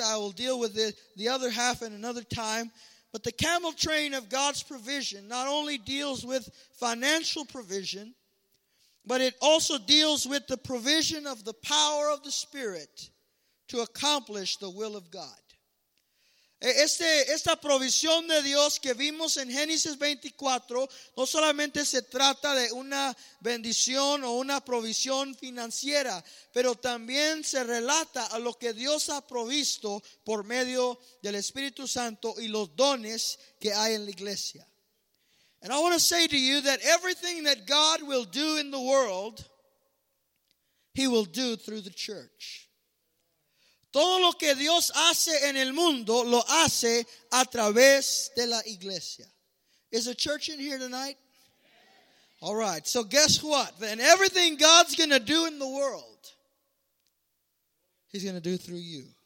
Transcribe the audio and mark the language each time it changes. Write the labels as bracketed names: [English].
[English] I will deal with the other half in another time. But the camel train of God's provision not only deals with financial provision, but it also deals with the provision of the power of the Spirit to accomplish the will of God. [Spanish] Esta provisión de Dios que vimos en Génesis 24 no solamente se trata de una bendición o una provisión financiera, pero también se relata a lo que Dios ha provisto por medio del Espíritu Santo y los dones que hay en la iglesia. [English] And I want to say to you that everything that God will do in the world, he will do through the church. [Spanish] Todo lo que Dios hace en el mundo lo hace a través de la iglesia. [English] Is the church in here tonight? All right, so guess what? Then everything God's going to do in the world, he's going to do through you.